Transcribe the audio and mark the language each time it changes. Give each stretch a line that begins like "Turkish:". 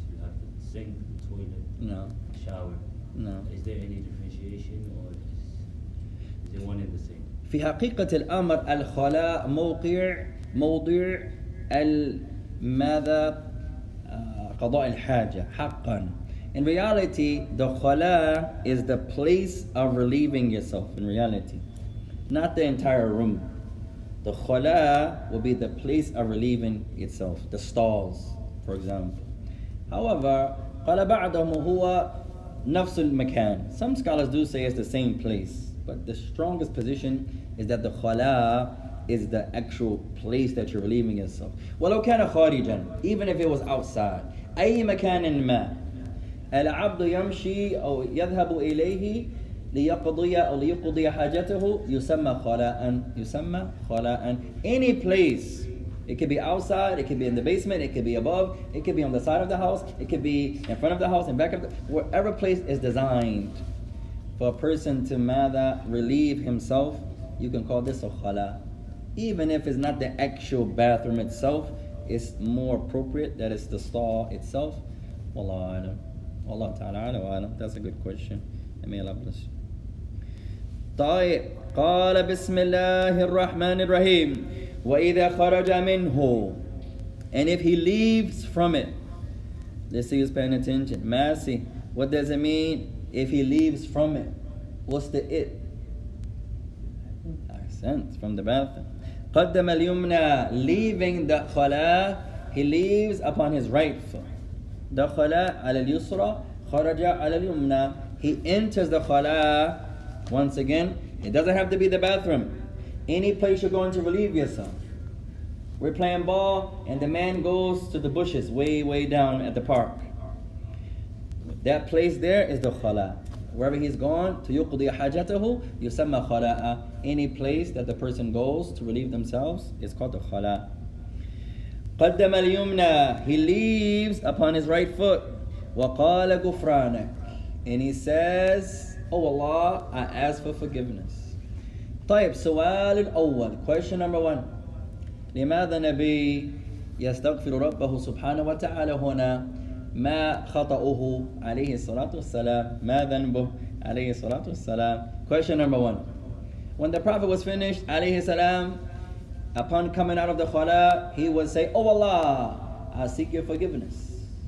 English: You have the sink, the toilet, no. The shower. No. Is there any differentiation or is it one in the same?
Arabic: في حقيقة الأمر الخلاء موضوع الماذا قضاء الحاجة حقا.
English: In reality, the خلاء is the place of relieving yourself. In reality, not the entire room. The خلاء will be the place of relieving itself. The stalls. For example. However,
Arabic: قال بعضهم هو نفس المكان.
English: Some scholars do say it's the same place, but the strongest position is that the خلاء is the actual place that you're relieving yourself.
Arabic: ولو كان خارجا,
English: even if it was outside,
Arabic: أي مكان ما, العبد يمشي أو يذهب إليه ليقضي أو ليقضي حاجته يسمى خلاء. يسمى خلاء.
English: Any place. It could be outside, it could be in the basement, it could be above, it could be on the side of the house, it could be in front of the house, in back of the house. Wherever place is designed for a person to mather, relieve himself, you can call this a khala. Even if it's not the actual bathroom itself, it's more appropriate that it's the stall itself. Wallahu a'lam. Allah ta'ala a'lam wa a'lam. That's a good question. And may Allah bless you.
Arabic: قال بسم الله الرحمن الرحيم وإذا خرج منه.
English: And if he leaves from it, let's see who's paying attention. Masi, what does it mean if he leaves from it? What's the it? I sense from the bathroom.
Arabic: قدم اليمنى,
English: leaving the خلاء, he leaves upon his right foot.
Arabic: دخل على اليسرى, خرج على اليمنى.
English: He enters the خلاء once again. It doesn't have to be the bathroom. Any place you're going to relieve yourself. We're playing ball and the man goes to the bushes way, way down at the park. That place there is the khala. Wherever he's gone, to yuqdi hajatahu, yusamma khala'a. Any place that the person goes to relieve themselves is called the khala.
Arabic: قدم اليمنى,
English: he leaves upon his right foot.
Arabic: وقال غفرانك,
English: and he says, oh Allah, I ask for forgiveness.
Arabic: طيب سؤال الأول,
English: question number one,
Arabic: لماذا نبي يستغفر ربه سبحانه وتعالى هنا, ما خطأه عليه الصلاة والسلام, ما ذنبه عليه الصلاة والسلام.
English: Question number one, when the Prophet was finished عليه السلام, upon coming out of the khala, he would say, oh Allah, I seek your forgiveness.